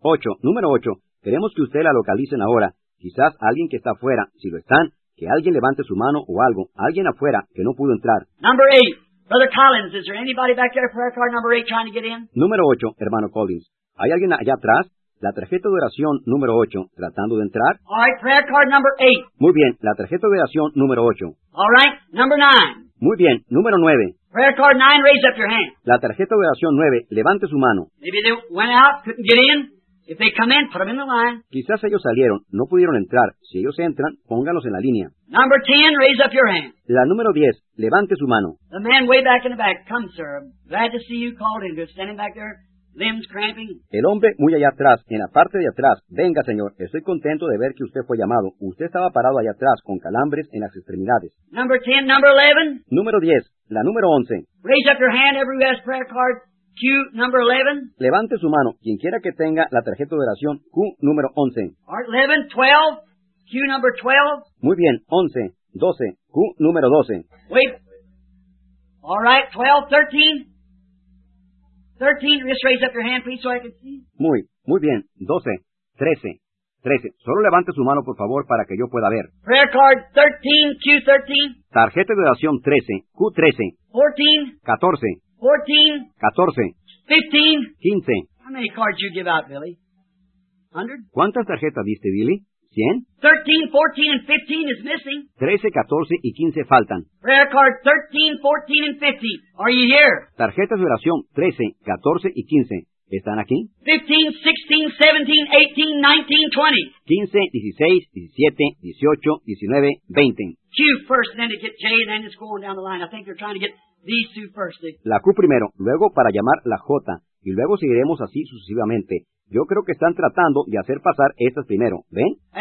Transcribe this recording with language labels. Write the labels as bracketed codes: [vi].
[es] Ocho, número ocho, queremos que usted la localicen ahora. Quizás alguien que está afuera, si lo están, que alguien levante su mano o algo, alguien afuera que no pudo entrar. [en] Number eight, Brother Collins, is there anybody back there at prayer card number eight trying to get in? [es] Número ocho, hermano Collins, ¿hay alguien allá atrás? La tarjeta de oración número ocho, tratando de entrar. [en] All right, prayer card number eight. [es] Muy bien, la tarjeta de oración número ocho. [en] All right, number nine. [es] Muy bien, número nueve. [en] Prayer card nine, raise up your hand. [es] La tarjeta de oración nueve, levante su mano. [en] Maybe they went out, couldn't get in. If they come in, put them in the line. [es] Quizás ellos salieron, no pudieron entrar. Si ellos entran, póngalos en la línea. [en] Number 10, raise up your hand. [es] La número 10, levante su mano. [en] The man way back in the back, come sir, glad to see you called in. They're standing back there, limbs cramping. [es] El hombre muy allá atrás, en la parte de atrás. Venga señor, estoy contento de ver que usted fue llamado. Usted estaba parado allá atrás, con calambres en las extremidades. [en] Number 10, number 11. [es] Número 10, la número 11. [en] Raise up your hand, everyone has prayer card. Q number 11. [es] Levante su mano, quien quiera que tenga la tarjeta de oración Q número 11. [en] Art 11, 12. Q number 12. [es] Muy bien, 11, 12. Q número 12. [en] Wait. All right, 12, 13. 13, just raise up your hand, please, so I can see. [es] Muy, muy bien. 12, 13, 13. Solo levante su mano, por favor, para que yo pueda ver. [en] Prayer card 13, Q13. [es] Tarjeta de oración 13, Q13. [en] 14. [es] 14. [en] 14. [es] 14. [en] 15. [es] 15. [en] How many cards did you give out, Billy? 100? [es] ¿Cuántas tarjetas diste, Billy? 100? [en] 13, 14, and 15 is missing. [es] 13, 14 y 15 faltan. [en] Prayer card 13, 14, and 15. Are you here? [es] Tarjetas de oración 13, 14 y 15. ¿Están aquí? [en] 15, 16, 17, 18, 19, 20. [es] 15, 16, 17, 18, 19, 20. [en] Q first, then to get J, then it's going down the line. I think you're trying to get these two first. [es] La Q primero, luego para llamar la J, y luego seguiremos así sucesivamente. Yo creo que están tratando de hacer pasar estas primero, ¿ven?